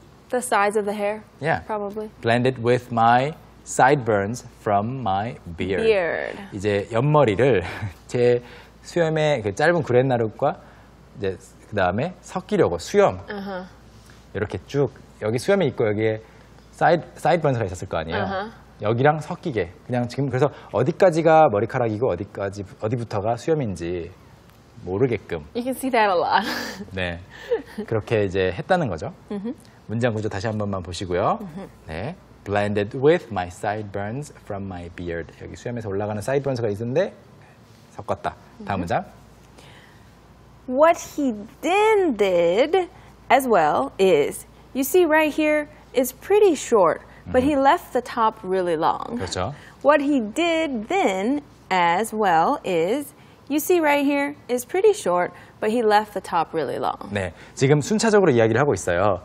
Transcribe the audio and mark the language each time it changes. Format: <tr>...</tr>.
<en>the size of the hair. Yeah. Probably. Blend it with my sideburns from my beard. Beard.</en> <ko>이제 옆머리를 제 수염의 그 짧은 구레나룻과 이제 그 다음에 섞이려고 수염 uh-huh. 이렇게 쭉 여기 수염이 있고 여기에 사이드번스가 있었을 거 아니에요. Uh-huh. 여기랑 섞이게. 그냥 지금 그래서 어디까지가 머리카락이고 어디부터가 수염인지 모르게끔.</ko> <en>You can see that a lot.</en> <ko>네. 그렇게 이제 했다는 거죠. Uh-huh. 문장 구조 다시 한 번만 보시고요. Uh-huh.</ko> <en>네. Blended with my sideburns from my beard.</en> <ko>여기 수염에서 올라가는 사이드번스가 있는데 섞었다. 다음 uh-huh. 문장.</ko> <en>What he then did as well is you see right here is pretty short, but mm-hmm. he left the top really long.</en> <ko>그렇죠.</ko> <en>What he did then as well is, you see right here, is pretty short, but he left the top really long.</en> <ko>네, 지금 순차적으로 이야기를 하고 있어요.</ko>